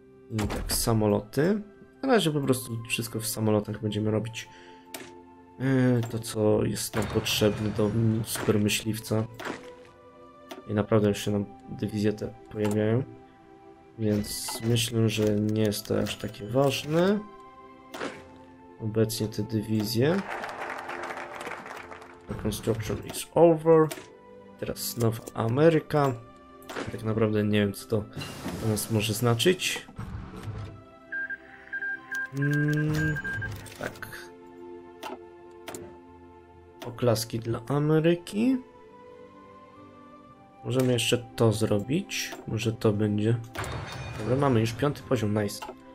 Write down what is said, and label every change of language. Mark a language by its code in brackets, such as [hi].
[pl] I tak, samoloty. Na razie po prostu wszystko w samolotach będziemy robić. To, co jest nam potrzebne do super myśliwca. I naprawdę już się nam dywizje te pojawiają. Więc myślę, że nie jest to aż takie ważne. Obecnie te dywizje. [en] Reconstruction is over. [pl] Teraz Nowa Ameryka. Tak naprawdę nie wiem, co to dla nas może znaczyć. Tak. Oklaski dla Ameryki. Możemy jeszcze to zrobić. Może to będzie. Dobra, mamy już piąty poziom, nice.